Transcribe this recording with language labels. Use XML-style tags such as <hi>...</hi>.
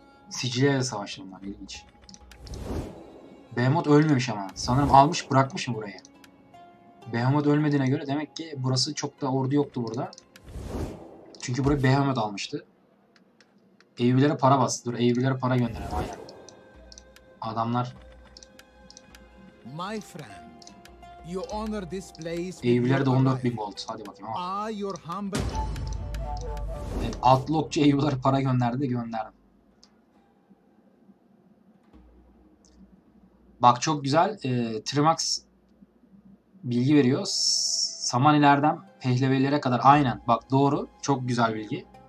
<tr>Sicilya'yla savaştım lan, ilginç. Behemoth ölmemiş ama. Sanırım almış bırakmış mı burayı? Behemoth ölmediğine göre demek ki burası çok da ordu yoktu burada. Çünkü burayı Behemoth almıştı. Eyyubilere para bastı. Dur, Eyyubilere para gönderelim. Aynen. Adamlar...</tr> <en>My friend, you honor this place.</en> <tr>Eyyubilere de 14.000 gold. Hadi bakayım. Ah,</tr> <en>your humble.</en> <tr>Evet, Atlokçu Eyyubilere para gönderdi de gönderdim. Bak çok güzel. Trimax bilgi veriyor. Samanilerden Pehlevilere kadar. Aynen. Bak doğru. Çok güzel bilgi.</tr>